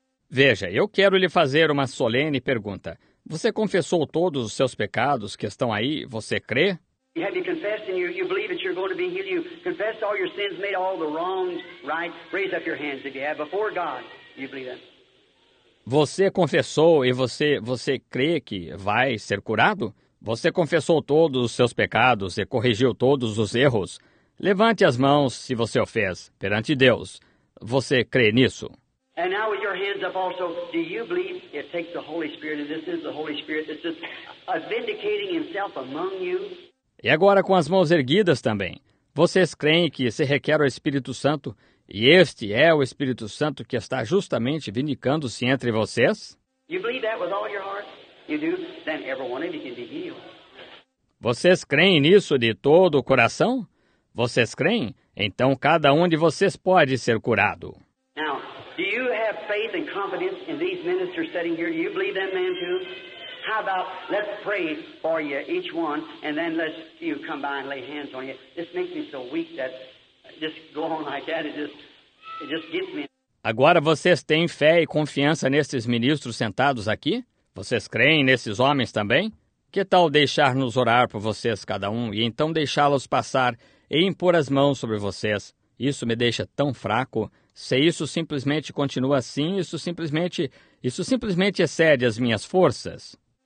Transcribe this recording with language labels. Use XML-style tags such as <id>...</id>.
<pt>Veja, eu quero lhe fazer uma solene pergunta. Você confessou todos os seus pecados que estão aí? Você crê?</pt> <en>Have you confessed and you believe that you're going to be healed? You confessed all your sins, made all the wrongs right? Raise up your hands if you have before God. Do you believe that?</en> <pt>Você confessou e você crê que vai ser curado? Você confessou todos os seus pecados e corrigiu todos os erros? Levante as mãos se você o fez perante Deus. Você crê nisso?</pt> <en>And now with your hands up also, do you believe it takes the Holy Spirit, and this is the Holy Spirit that's just vindicating himself among you?</en> <pt>E agora com as mãos erguidas também. Vocês creem que se requer o Espírito Santo, e este é o Espírito Santo que está justamente vindicando-se entre vocês?</pt> <en>You believe that with all your heart? You do? Then every one of you can be healed.</en> <pt>Vocês creem nisso de todo o coração? Vocês creem? Então cada um de vocês pode ser curado.</pt> <en>Now, do you have faith and confidence in these ministers sitting here? Do you believe that man too? How about let's pray for you, each one, and then let's you come by and lay hands on you. This makes me so weak that just go on like that. It just gets me.</en> <pt>Agora vocês têm fé e confiança nestes ministros sentados aqui? Vocês creem nesses homens também? Que tal deixar-nos orar por vocês cada um e então deixá-los passar e impor as mãos sobre vocês? Isso me deixa tão fraco. Se isso simplesmente continua assim, isso simplesmente excede as minhas forças.</pt>